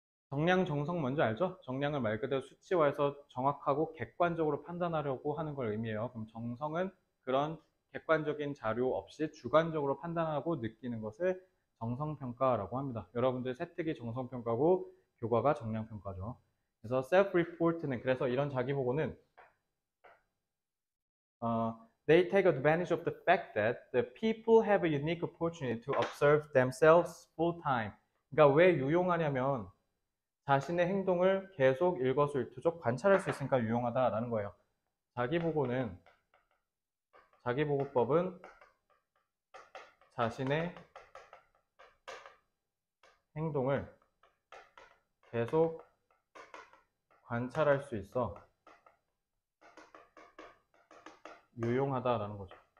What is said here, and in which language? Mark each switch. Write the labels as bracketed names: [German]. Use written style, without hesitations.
[Korean] 정량 정석 뭔지 알죠? 정량을 말 그대로 수치화해서 정확하고 객관적으로 판단하려고 하는 걸 의미해요. 그럼 정석은 그런 객관적인 자료 없이 주관적으로 판단하고 느끼는 것을 정성평가라고 합니다. 여러분들 세특이 정성평가고 교과가 정량평가죠. 그래서 self-report는 그래서 이런 자기보고는 [English] they take advantage of the fact that the people have a unique opportunity to observe themselves full time. [Korean] 그러니까 왜 유용하냐면 자신의 행동을 계속 일거수일투족 관찰할 수 있으니까 유용하다라는 거예요. 자기보고법은 자신의 행동을 계속 관찰할 수 있어 유용하다라는 거죠.